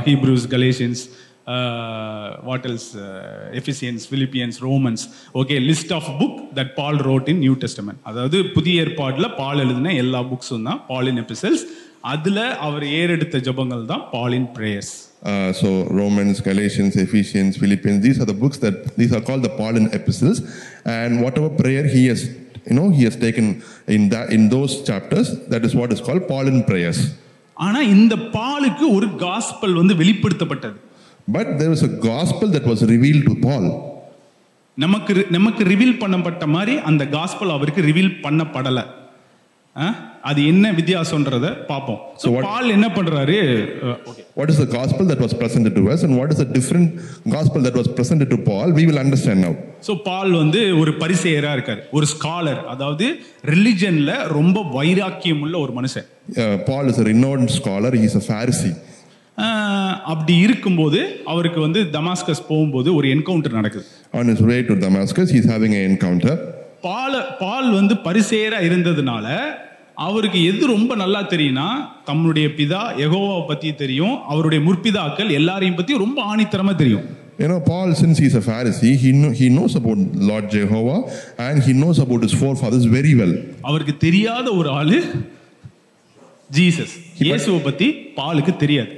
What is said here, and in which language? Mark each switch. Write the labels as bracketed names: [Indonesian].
[English] Hebrews, Galatians, what else, Ephesians, Philippians, Romans, okay, list of book that Paul wrote in New Testament. [Tamil] அதாவது புதிய ஏற்பாட்டில் பால் எழுதின எல்லா புக்ஸும் தான் பாலின் எபிசல்ஸ். அதில் அவர் ஏறெடுத்த ஜபங்கள் தான் பாலின் prayers. [English] So Romans, Galatians, Ephesians, Philippians, these are the books that, these are called the Pauline epistles, and whatever prayer he has, you know, he has taken in those chapters, that is what is called Pauline prayers. [Tamil] ஆனா இந்த பாலுக்கு ஒரு gospel வந்து வெளிப்படுத்தப்பட்டது. [English] But there was a gospel that was revealed to Paul. [Tamil] நமக்கு reveal பண்ணப்பட்ட மாதிரி அந்த gospel அவருக்கு ரிவீல் பண்ணப்படல. அது என்ன வித்தியாசம்ன்றத பாப்போம். So Paul என்ன பண்றாரு? [English] What is the gospel that was presented to us and what is the different gospel that was presented to Paul, we will understand now. [Tamil] So Paul வந்து ஒரு பரிசேயரா இருக்காரு, ஒரு ஸ்காலர், அதாவது ரிலிஜியன்ல ரொம்ப வைராக்கியம் உள்ள ஒரு மனுஷன். [English] Paul is a renowned scholar, he is a Pharisee. [Tamil] அப்படி இருக்கும்போது அவருக்கு வந்து தமாஸ்கஸ் போகும்போது ஒரு என்கவுண்டர் நடக்குது. [English] On his way to Damascus, he is having an encounter. [Tamil] பால் வந்து பரிசேயரா இருந்ததுனால அவருக்கு எது ரொம்ப நல்லா தெரியும்னா தம்முடைய பிதா யெகோவா பத்தி தெரியும், அவருடைய முற்பிதாக்கள் எல்லாரையும் பத்தி ரொம்ப ஆணித்தரமா தெரியும். [English] You know, Paul, since he is a Pharisee, he knows about Lord Jehovah and he knows about his forefathers very well. [Tamil] அவருக்கு தெரியாத ஒரு ஆளு ஜீசஸ், இயேசுவை பத்தி பாலுக்கு தெரியாது.